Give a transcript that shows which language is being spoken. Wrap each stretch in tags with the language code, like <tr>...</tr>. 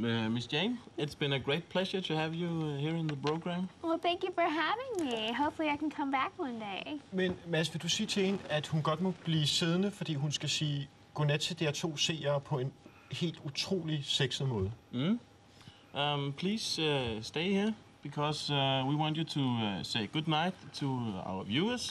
<en>Miss Jane, it's been a great pleasure to have you here in the program. Well, thank you for having me. Hopefully I can come back one day.</en> <da>Men Mads, vil du sige til hende, at hun godt må blive siddende, fordi hun skal sige godnat til DR2 seere på en helt utrolig sexet måde?</da> <en>Please stay here, because we want you to say good night to our viewers.</en>